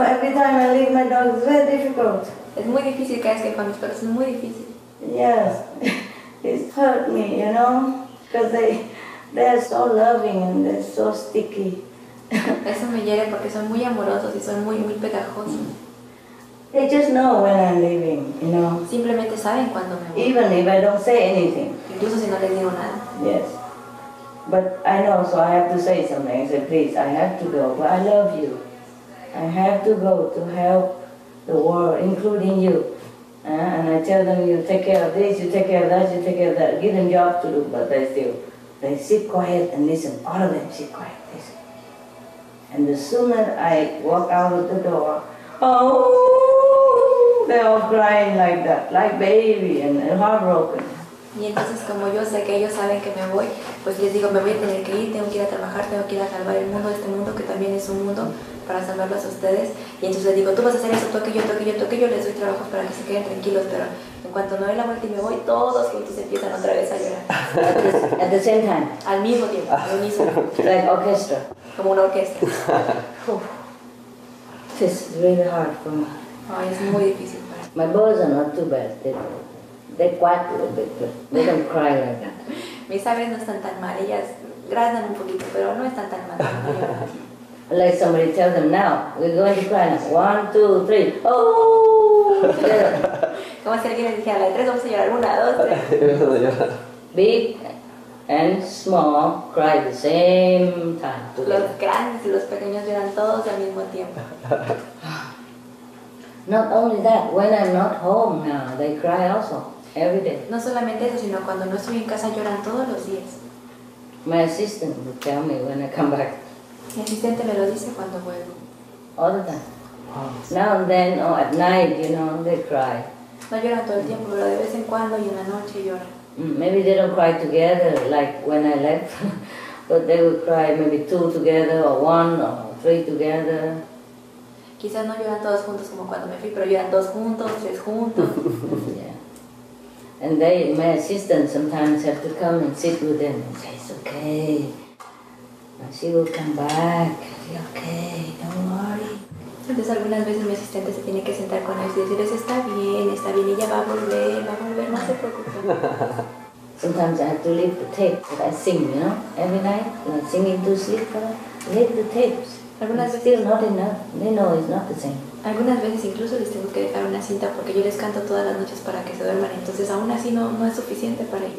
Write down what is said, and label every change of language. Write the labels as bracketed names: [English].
[English] Every time I leave my dogs, it's very difficult. [Spanish] Es muy difícil cada vez que con mis perros, es muy difícil. [English] Yes, it's hurt me, you know, because they are so loving and they're so sticky. [Spanish] Eso me hiere porque son muy amorosos y son muy muy pegajosos. [English] They just know when I'm leaving, you know. [Spanish] Simplemente saben cuando me voy. [English] Even if I don't say anything. [Spanish] Incluso si no les digo nada. [English] Yes. But I know, so I have to say something. I say, please, I have to go, but I love you. I have to go to help the world, including you. And I tell them, you take care of this, you take care of that, you take care of that. Give them job to do, but they sit quiet and listen. All of them sit quiet, listen. And the sooner I walk out of the door, oh, they're all crying like that, like baby and heartbroken. [Spanish] Y entonces como yo sé que ellos saben que me voy, pues les digo, me voy a tener que ir, tengo que ir a trabajar, tengo que ir a salvar el mundo, este mundo que también es un mundo para salvarlos a ustedes. Y entonces les digo, tú vas a hacer eso, toque yo, les doy trabajos para que se queden tranquilos, pero en cuanto no doy la vuelta y me voy, todos juntos empiezan otra vez a llorar. [English] At the same time. [Spanish] Al mismo tiempo, al mismo tiempo. [English] Like orchestra. [Spanish] Como una orquesta. [English] This is really hard for me. [Spanish] Ay, es muy difícil para mí. [English] My boys are not too bad, they're quiet a little bit, but they don't cry like that. [Spanish] Mis aves no están tan mal, ellas graznan un poquito, pero no están tan mal. [English] Like somebody tell them now, we're going to cry now. 1, 2, 3, oh! [Spanish] Como si alguien les dijera, la de 3 vamos a llorar, 1, 2, 3. [English] Big and small cry the same time. [Spanish] Los grandes y los pequeños lloran todos al mismo tiempo. [English] Not only that, when I'm not home now, they cry also. Every day. [Spanish] No solamente eso, sino cuando no estoy en casa lloran todos los días. [English] My assistant will tell me when I come back. [Spanish] Mi asistente me lo dice cuando vuelvo. [English] All the time. Now and then, or at night, you know, they cry. [Spanish] No lloran todo el tiempo, pero de vez en cuando y en la noche lloran. [English] Maybe they don't cry together like when I left, but they will cry maybe 2 together or 1 or 3 together. [Spanish] Quizás no lloran todos juntos como cuando me fui, pero lloran 2 juntos, 3 juntos. [English] And they, my assistants, sometimes have to come and sit with them and say, it's okay. And she will come back. She's okay, don't worry. [Spanish] Entonces algunas veces mi asistente se tiene que sentar con ellos y decirles, está bien, ella va a volver, no se preocupen. [English] Sometimes I have to leave the tape that I sing, you know, every night, like singing to sleep, but I leave the tapes. [Spanish] Algunas veces, [English] still not enough, they know it's not the same. [Spanish] Algunas veces incluso les tengo que dejar una cinta porque yo les canto todas las noches para que se duerman, entonces aún así no es suficiente para ellos.